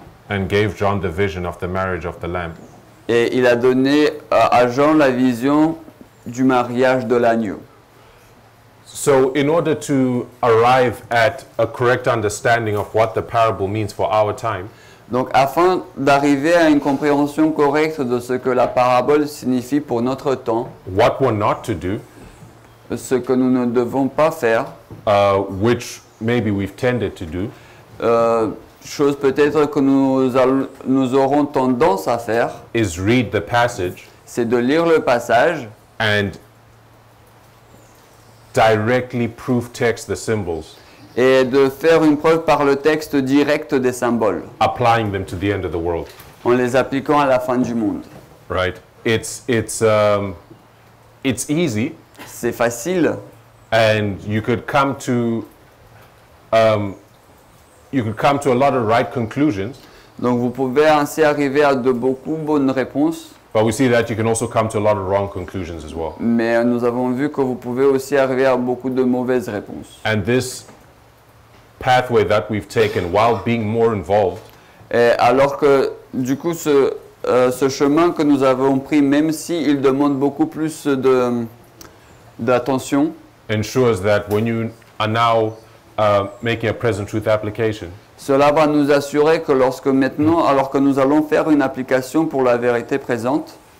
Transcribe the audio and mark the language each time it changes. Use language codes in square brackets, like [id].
[en] And gave John the vision of the marriage of the Lamb. [fr] Et il a donné à Jean la vision du mariage de l'agneau. [en] So in order to arrive at a correct understanding of what the parable means for our time. [fr] Donc afin d'arriver à une compréhension correcte de ce que la parabole signifie pour notre temps. [en] What we're not to do. [fr] Ce que nous ne devons pas faire. [en] Which maybe we've tended to do. [fr] Chose peut-être que nous aurons tendance à faire. [en] Is read the passage. [fr] C'est de lire le passage. [en] And directly proof text the symbols. [fr] Et de faire une preuve par le texte direct des symboles. [en] Applying them to the end of the world. [fr] En les appliquant à la fin du monde. [en] Right. It's easy. [fr] C'est facile. [en] And you could come to a lot of right conclusions. [fr] Donc vous pouvez ainsi arriver à de beaucoup bonnes réponses. [en] But we see that you can also come to a lot of wrong conclusions as well. [fr] Mais nous avons vu que vous pouvez aussi arriver à beaucoup de mauvaises réponses. [en] And this pathway that we've taken while being more involved. [fr] Et alors que du coup ce chemin que nous avons pris, même si il demande beaucoup plus de d'attention, [en] ensures that when you are now making a present truth application. [fr] Cela va nous assurer que lorsque maintenant, alors que nous allons faire une application pour la vérité présente,